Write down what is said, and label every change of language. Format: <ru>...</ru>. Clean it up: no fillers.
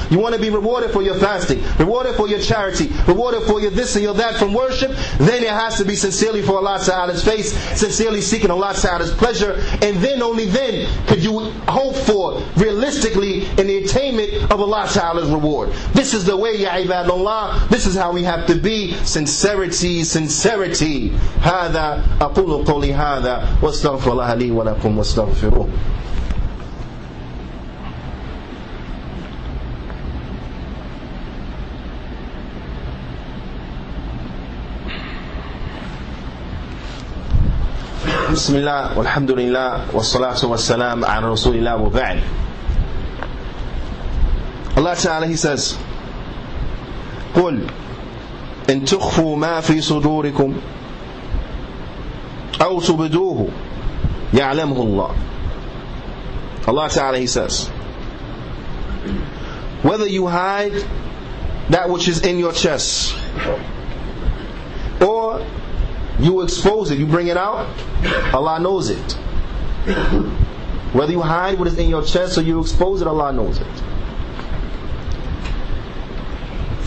<en>You want to be rewarded for your fasting, rewarded for your charity, rewarded for your this and your that from worship, then it has to be sincerely for Allah ta'ala's face, sincerely seeking Allah ta'ala's pleasure, and then only then could you hope for realistically in the attainment of Allah ta'ala's reward. This is the way, ya ibadallah, this is how we have to be. Sincerity, sincerity.</en> <ar>هذا أقول قولي هذا واستغفر الله لي ولكم واستغفروا. بسم الله والحمد لله والصلاة والسلام على رسول الله وبعد.</ar> <en>Allah Ta'ala, He says,</en> <ar>قل إن تخفوا ما في صدوركم أو تبدوه يعلمه الله.</ar> <en>Allah Ta'ala, He says, whether you hide that which is in your chest or you expose it, you bring it out, Allah knows it. Whether you hide what is in your chest or you expose it, Allah knows it.</en>